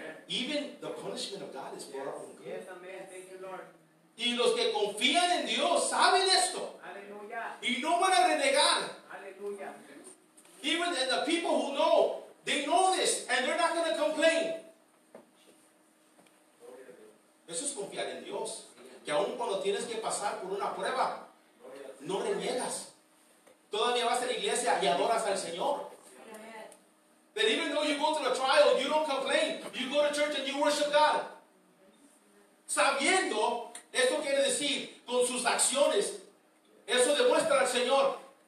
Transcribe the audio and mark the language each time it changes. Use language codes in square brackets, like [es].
[en] Even the punishment of God is for our own good. Yes, amen. Thank you, Lord. [es] Y los que confían en Dios saben esto. Aleluya. Y no van a renegar. Aleluya. [en] Even the people who know, they know this and they're not going to complain. [es] Eso es confiar en Dios. Que aun cuando tienes que pasar por una prueba, no reniegas. Todavía vas a la iglesia y adoras al Señor. [en] That even though you go through a trial, you don't complain. You go to church and you worship God. [es] Sabiendo, esto quiere decir, con sus acciones, eso demuestra al Señor.